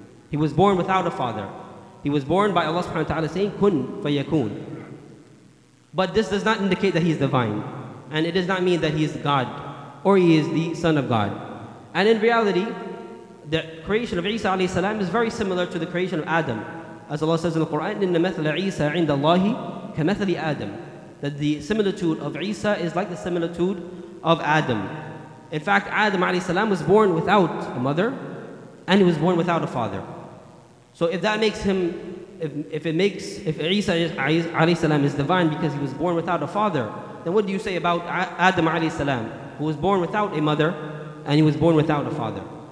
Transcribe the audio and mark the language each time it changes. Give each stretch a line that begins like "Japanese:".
English: He was born without a father. He was born by Allah subhanahu wa ta'ala saying, kun fayakun. But this does not indicate that he is divine. And it does not mean that he is God or he is the son of God. And in reality, the creation of Isa alayhi salam is very similar to the creation of Adam. As Allah says in the Quran,
Arabic: إِنَّ مَثَلَ عِيسَى عِنْدَ اللَّهِ كَمَثَلِ آدَمٍ.
English: That the similitude of Isa is like the similitude of Adam. In fact, Adam alayhi salam was born without a mother and he was born without a father. So if that makes him, if Isa alayhi salam is divine because he was born without a father, then what do you say about Adam alayhi salam, who was born without a mother and he was born without a father?